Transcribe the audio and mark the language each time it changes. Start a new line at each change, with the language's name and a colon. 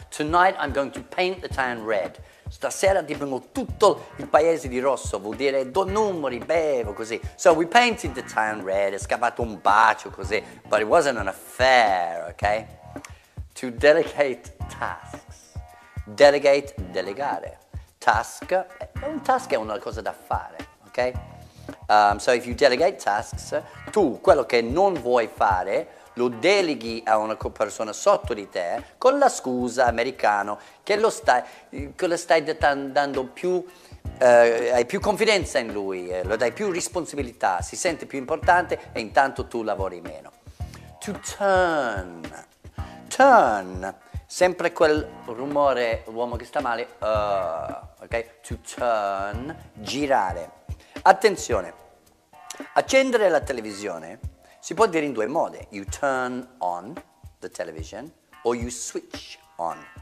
English: Tonight I'm going to paint the town red.
Italian: Stasera dipingo tutto il paese di rosso, vuol dire do numeri, bevo, così.
English: So we painted the town red,
Italian: è scappato un bacio, così.
English: But it wasn't an affair, okay? To delegate tasks. Delegate, delegare.
Italian: Task, un task è una cosa da fare, okay?
English: So if you delegate tasks,
Italian: tu quello che non vuoi fare lo deleghi a una persona sotto di te con la scusa americano che lo stai dando più, hai più confidenza in lui, lo dai più responsabilità, si sente più importante e intanto tu lavori meno. To turn, turn, sempre quel rumore, l'uomo che sta male, ok? To turn, girare. Attenzione, accendere la televisione si può dire in due modi.
English: You turn on the television or you switch on.